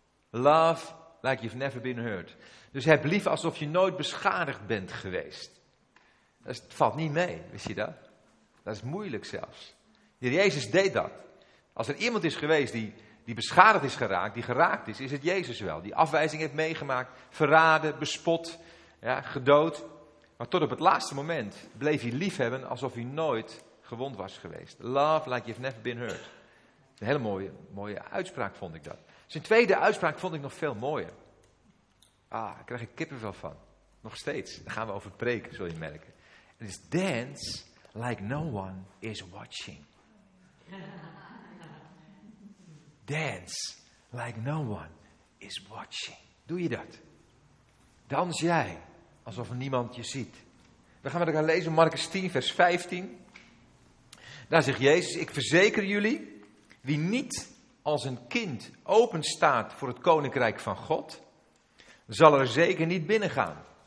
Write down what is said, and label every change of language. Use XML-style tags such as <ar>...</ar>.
<en>Love like you've never been hurt.</en> <nl>Dus heb lief alsof je nooit beschadigd bent geweest. Dat valt niet mee, wist je dat? Dat is moeilijk zelfs. Jezus deed dat. Als er iemand is geweest die beschadigd is geraakt, die geraakt is, is het Jezus wel. Die afwijzing heeft meegemaakt, verraden, bespot, gedood. Maar tot op het laatste moment bleef hij lief hebben alsof hij nooit gewond was geweest.</nl> <en>Love like you've never been hurt.</en> <nl>Een hele mooie uitspraak vond ik dat. Zijn tweede uitspraak vond ik nog veel mooier. Ah, daar krijg ik kippenvel van. Nog steeds. Daar gaan we over preken, zul je merken. Het is</nl> <en>dance like no one is watching. Dance like no one is watching.</en> <nl>Doe je dat? Dans jij alsof niemand je ziet. We gaan met elkaar lezen Marcus 10 vers 15. Daar zegt Jezus, ik verzeker jullie, wie niet als een kind openstaat voor het koninkrijk van God, zal er zeker niet binnengaan.</nl>